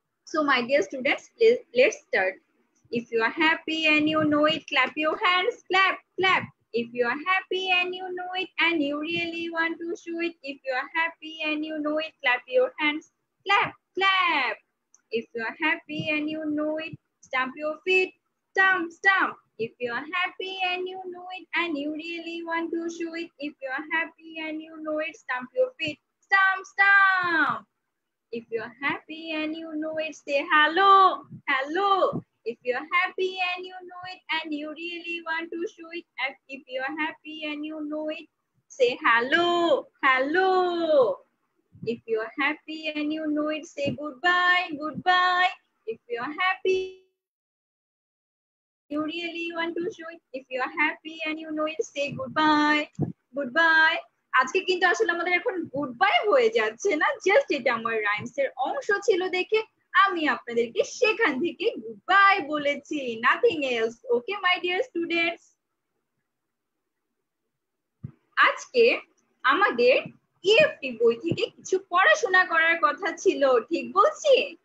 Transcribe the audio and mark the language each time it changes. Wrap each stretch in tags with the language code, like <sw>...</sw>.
<en>So my dear students, let's start. If you are happy and you know it, clap your hands, clap clap. If you are happy and you know it and you really want to show it, if you are happy and you know it, clap your hands, clap clap. If you are happy and you know it, stamp your feet, stamp, stamp. If you are happy and you know it, and you really want to show it, if you are happy and you know it, stamp your feet, stamp, stamp. If you are happy and you know it, say hello, hello. If you are happy and you know it, and you really want to show it, if you are happy and you know it, say hello, hello. If you are happy and you know it, say goodbye, goodbye. If you are happy, you really want to show it. If you are happy and you know it, say goodbye, goodbye.</en> <bn>আজকে কিন্তু আসলে আমাদের এখন goodbye হয়ে যাচ্ছে না, just এটা আমার রাইমস এর অংশ ছিল দেখে আমি আপনাদেরকে সেখান থেকে গুডবাই বলেছি,</bn> <en>Nothing else. Okay my dear students,</en> <bn>আজকে আমাদের ইএফটি বই থেকে কিছু পড়াশোনা করার কথা ছিল, ঠিক বলছি?</bn>